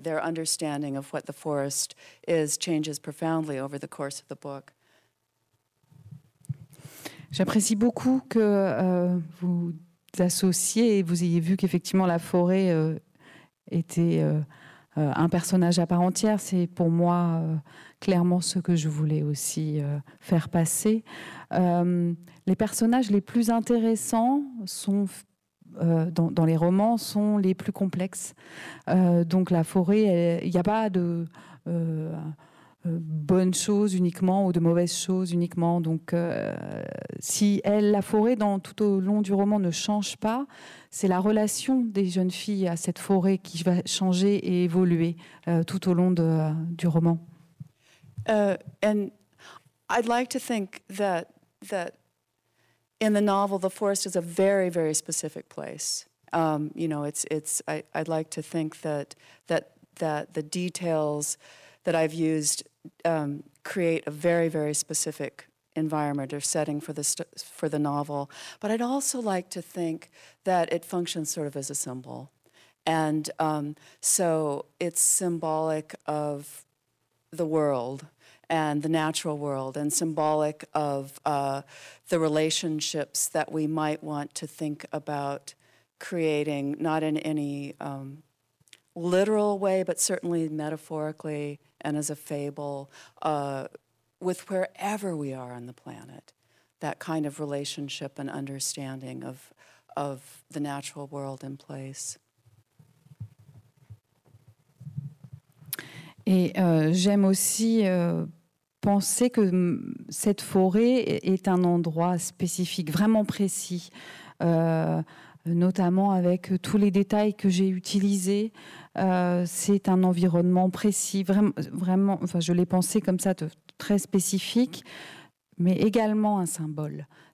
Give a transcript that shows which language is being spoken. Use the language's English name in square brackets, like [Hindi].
[English] Their understanding of what the forest is changes profoundly over the course of the book. [French] J'apprécie beaucoup que vous associez et vous ayez vu qu'effectivement la forêt était un personnage à part entière. C'est pour moi clairement ce que je voulais aussi faire passer. Les personnages les plus intéressants sont dans les romans sont les plus complexes. Donc la forêt, il n'y a pas de bonnes choses uniquement ou de mauvaises choses uniquement. Donc si elle, la forêt, dans tout au long du roman ne change pas, c'est la relation des jeunes filles à cette forêt qui va changer et évoluer tout au long du roman. [English] And I'd like to think that in the novel the forest is a very very specific place. You know, I'd like to think that the details that I've used create a very, very specific environment or setting for the novel. But I'd also like to think that it functions sort of as a symbol. And so it's symbolic of the world and the natural world, and symbolic of the relationships that we might want to think about creating, not in any literal way, but certainly metaphorically, and as a fable, with wherever we are on the planet, that kind of relationship and understanding of the natural world in place. [French] Et j'aime aussi penser que cette forêt est un endroit spécifique, vraiment précis, notamment avec tous les détails que j'ai utilisés. C'est un environnement précis, vraiment, enfin, je l'ai pensé comme ça, très spécifique, mais également un symbole.